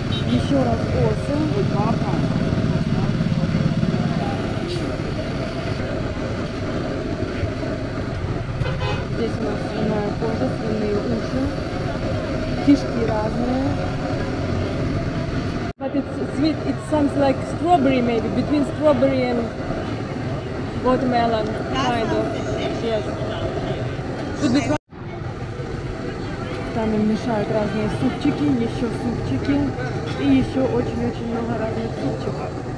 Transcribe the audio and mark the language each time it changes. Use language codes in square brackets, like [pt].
[ru] Еще раз осы. Здесь у нас свиная кожа, свиные уши, кишки разные. [en] But it's sweet, it sounds like strawberry maybe, between strawberry and watermelon, kind of. Yes. [ru] Там им мешают разные супчики, еще супчики и еще очень-очень много разных супчиков.